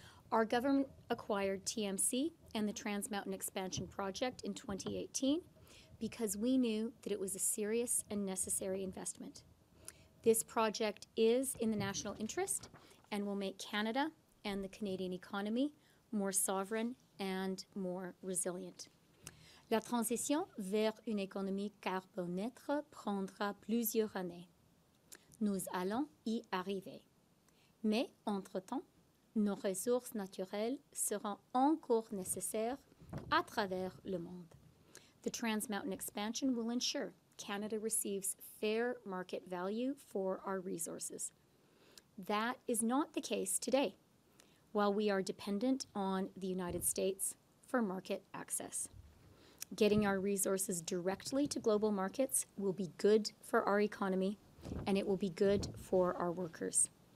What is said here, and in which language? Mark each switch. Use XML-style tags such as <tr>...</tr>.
<en>Our government acquired TMC and the Trans Mountain Expansion Project in 2018 because we knew that it was a serious and necessary investment. This project is in the national interest and will make Canada and the Canadian economy more sovereign and more resilient.</en> <fr>La transition vers une économie carbone neutre prendra plusieurs années. Nous allons y arriver. Mais, entre-temps, nos ressources naturelles seront encore nécessaires à travers le monde.</fr> <en>The Trans Mountain expansion will ensure Canada receives fair market value for our resources. That is not the case today, while we are dependent on the United States for market access. Getting our resources directly to global markets will be good for our economy, and it will be good for our workers.</en>